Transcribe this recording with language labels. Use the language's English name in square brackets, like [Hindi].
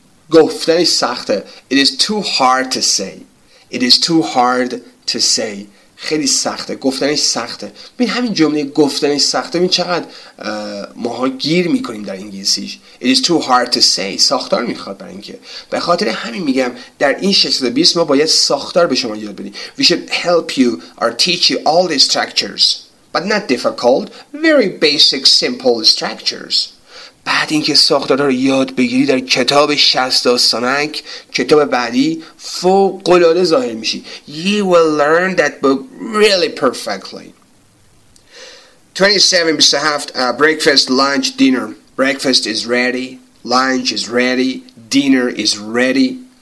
[Persian] گفتنش سخته. [English] It is too hard to say. It is too hard to say. [Persian] خیلی سخته، گفتنش سخته. ببین همین جمله گفتنش سخته، ببین چقدر ماها گیر میکنیم در انگلیسیش. [English] It is too hard to say. [Persian] ساختار میخواد برای اینکه. به خاطر همین میگم در این 620 ما باید ساختار به شما یاد بدیم. [English] We should help you or teach you all the structures. But not difficult, very basic, simple structures. [Persian] بعد اینکه ساختارها رو یاد بگیری در کتاب 60 داستانک، کتاب بعدی فوق العاده ظاهر میشی. [English] You will learn that book really perfectly. 27, breakfast, lunch, dinner. Breakfast is ready, lunch is ready, dinner is ready.